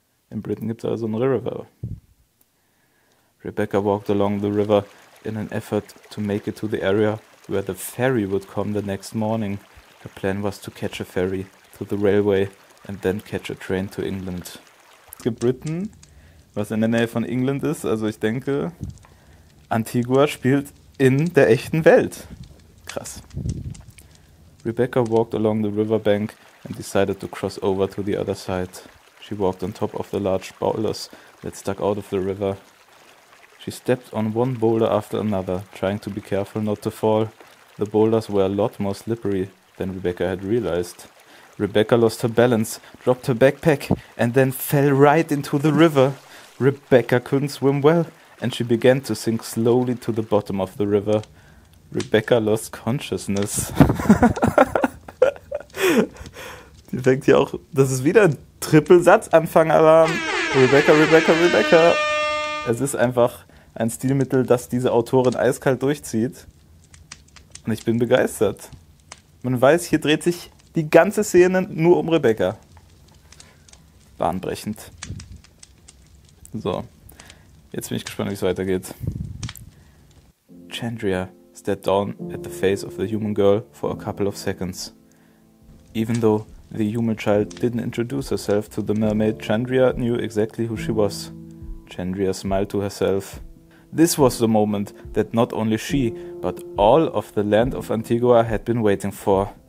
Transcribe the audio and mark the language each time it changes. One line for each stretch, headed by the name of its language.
German: In Britain gibt's also ein River.
English: Rebecca walked along the river in an effort to make it to the area where the ferry would come the next morning. Her plan was to catch a ferry to the railway and then catch a train to England.
German: Britain, was in der Nähe von England ist, also ich denke, Antigua spielt in der echten Welt. Krass.
English: Rebecca walked along the riverbank and decided to cross over to the other side. She walked on top of the large boulders that stuck out of the river. She stepped on one boulder after another, trying to be careful not to fall. The boulders were a lot more slippery than Rebecca had realized. Rebecca lost her balance, dropped her backpack, and then fell right into the river. Rebecca couldn't swim well, and she began to sink slowly to the bottom of the river. Rebecca lost consciousness.
German: Die fängt hier auch, das ist wieder ein Trippelsatzanfang-Alarm. Rebecca, Rebecca, Rebecca. Es ist einfach ein Stilmittel, das diese Autorin eiskalt durchzieht. Und ich bin begeistert. Man weiß, hier dreht sich die ganze Szene nur um Rebecca. Bahnbrechend. So, jetzt bin ich gespannt, wie es weitergeht.
English: Chandria stared down at the face of the human girl for a couple of seconds. Even though the human child didn't introduce herself to the mermaid, Chandria knew exactly who she was. Chandria smiled to herself. This was the moment that not only she, but all of the land of Antigua had been waiting for.